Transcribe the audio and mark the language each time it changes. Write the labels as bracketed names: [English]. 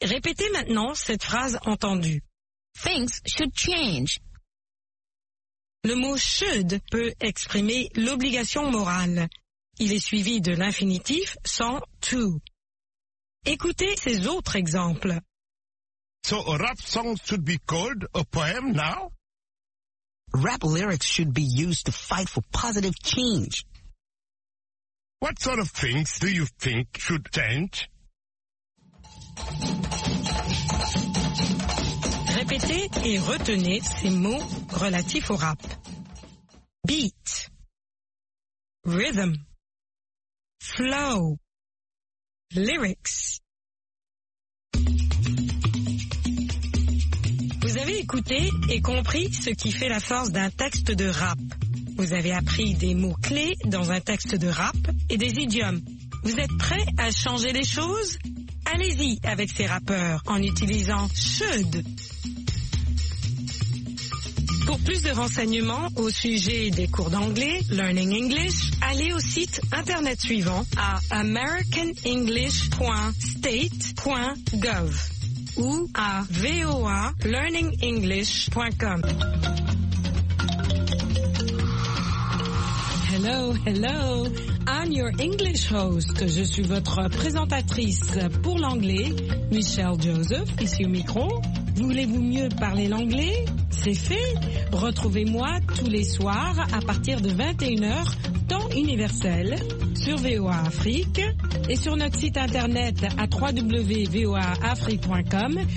[French] Répétez maintenant cette phrase entendue. [English] Things should change. [French] Le mot should peut exprimer l'obligation morale. Il est suivi de l'infinitif sans to. Écoutez ces autres exemples. [English] So a rap song should be called a poem now? Rap lyrics should be used to fight for positive change. What sort of things do you think should change? [French] Répétez et retenez ces mots relatifs au rap. [English] Beat, rhythm, flow, lyrics. [French] Vous avez écouté et compris ce qui fait la force d'un texte de rap. Vous avez appris des mots clés dans un texte de rap et des idiomes. Vous êtes prêt à changer les choses? Allez-y avec ces rappeurs en utilisant should. Pour plus de renseignements au sujet des cours d'anglais, Learning English, allez au site internet suivant à americanenglish.state.gov ou à voalearningenglish.com. [English] Hello, hello, I'm your English host. [French] Je suis votre présentatrice pour l'anglais, Michelle Joseph, ici au micro. Voulez-vous mieux parler l'anglais? C'est fait. Retrouvez-moi tous les soirs à partir de 21h, temps universel, sur VOA Afrique et sur notre site internet à www.voaafrique.com.